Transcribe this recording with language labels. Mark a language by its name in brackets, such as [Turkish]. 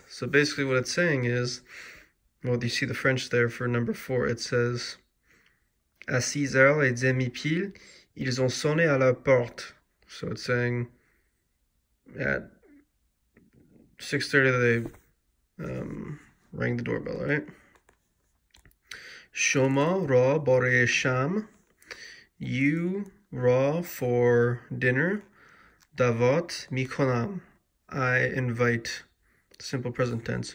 [English] So basically, what it's saying is, well, you see the French there for number four. [French] It says, à 6 heures et demi pile, ils ont sonné à la porte. [English] So it's saying, at 6:30 they rang the doorbell, right? [Persian] Shoma ra bore sham, [English] you ra for dinner, [Persian] davot mikonam, [English] I invite. Simple present tense.